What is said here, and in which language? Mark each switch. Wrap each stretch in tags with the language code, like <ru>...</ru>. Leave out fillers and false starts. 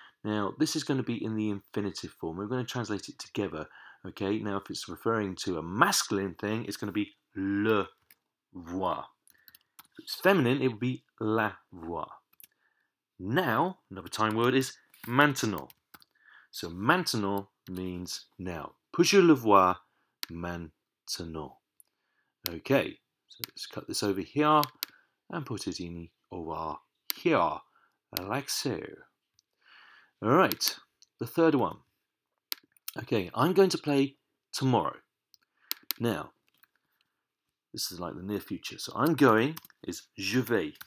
<en>Now, this is going to be in the infinitive form. We're going to translate it together, okay? Now, if it's referring to a masculine thing, it's going to be</en> <fr>le voir.</fr> <en>If it's feminine, it would be</en> <fr>la voir.</fr> <en>Now, another time word is maintenant. So, maintenant means now.</en> <fr>Peux-je le voir maintenant?</fr> <en>Okay, so let's cut this over here and put it in over here, like so. All right, the third one. Okay, I'm going to play tomorrow. Now, this is like the near future. So I'm going is</en> <fr>je vais.</fr>